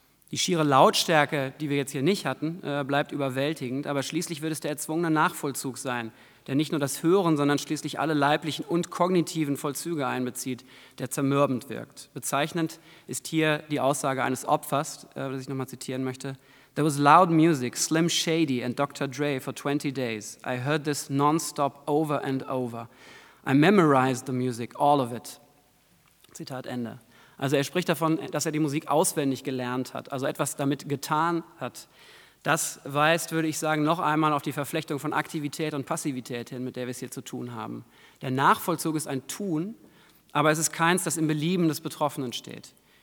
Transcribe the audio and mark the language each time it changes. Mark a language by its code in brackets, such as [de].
[de] Die schiere Lautstärke, die wir jetzt hier nicht hatten, bleibt überwältigend, aber schließlich wird es der erzwungene Nachvollzug sein, der nicht nur das Hören, sondern schließlich alle leiblichen und kognitiven Vollzüge einbezieht, der zermürbend wirkt. Bezeichnend ist hier die Aussage eines Opfers, das ich nochmal zitieren möchte. [en] There was loud music, Slim Shady and Dr. Dre for 20 days. I heard this nonstop over and over. I memorized the music, all of it. [de] Zitat Ende. Also er spricht davon, dass er die Musik auswendig gelernt hat, also etwas damit getan hat. Das weist, würde ich sagen, noch einmal auf die Verflechtung von Aktivität und Passivität hin, mit der wir es hier zu tun haben. Der Nachvollzug ist ein Tun, aber es ist keins, das im Belieben des Betroffenen steht.